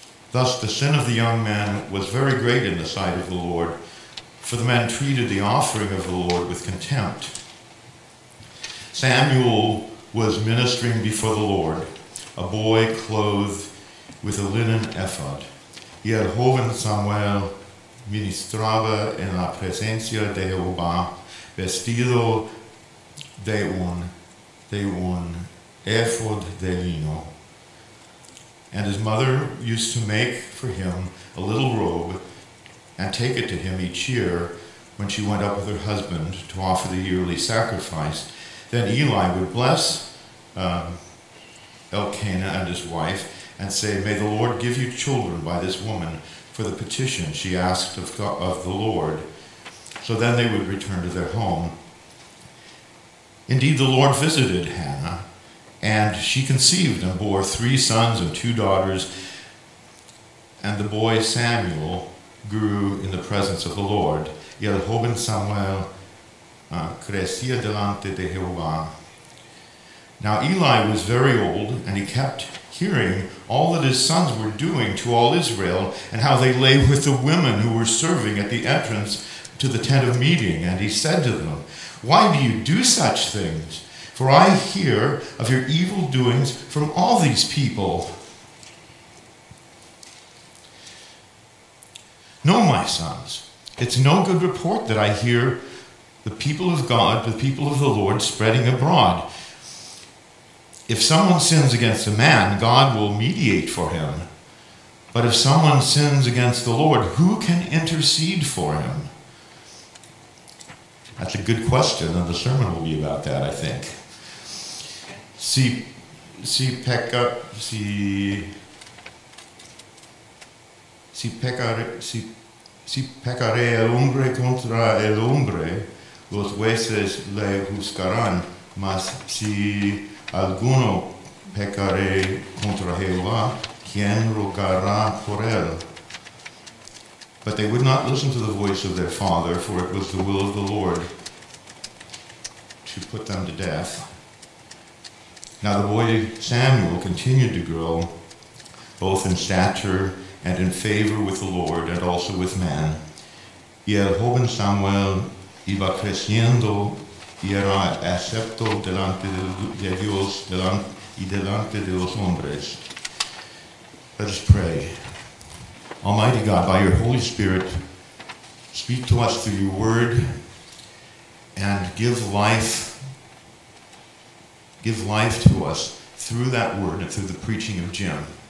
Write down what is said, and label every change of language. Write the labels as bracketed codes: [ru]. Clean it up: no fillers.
[en] Thus the sin of the young man was very great in the sight of the Lord, for the man treated the offering of the Lord with contempt. Samuel was ministering before the Lord, a boy clothed with a linen ephod. [es] Y el joven Samuel ministraba en la presencia de Jehová, vestido de un ephod de lino. [en] And his mother used to make for him a little robe and take it to him each year when she went up with her husband to offer the yearly sacrifice. Then Eli would bless Elkanah and his wife and say, "May the Lord give you children by this woman for the petition she asked of the Lord." So then they would return to their home. Indeed, the Lord visited Hannah, and she conceived and bore three sons and two daughters, and the boy Samuel grew in the presence of the Lord. [es] Y el joven Samuel crecía delante de Jehová. [en] Now Eli was very old, and he kept hearing all that his sons were doing to all Israel, and how they lay with the women who were serving at the entrance to the tent of meeting. And he said to them, "Why do you do such things? For I hear of your evil doings from all these people." "No, my sons, it's no good report that I hear the people of God, the people of the Lord, spreading abroad. If someone sins against a man, God will mediate for him. But if someone sins against the Lord, who can intercede for him?" That's a good question, and the sermon will be about that, I think. [es] Si pecare el hombre contra el hombre, los jueces le juzgarán. Mas si alguno pecare contra Jehová, ¿quién rogará por él? [en] But they would not listen to the voice of their father, for it was the will of the Lord to put them to death. Now the boy Samuel continued to grow, both in stature and in favor with the Lord and also with man. [es] Y el joven Samuel iba creciendo y era acepto delante de Dios y delante de los hombres. [en] Let us pray. Almighty God, by your Holy Spirit, speak to us through your word and give life to us through that word and through the preaching of Jim.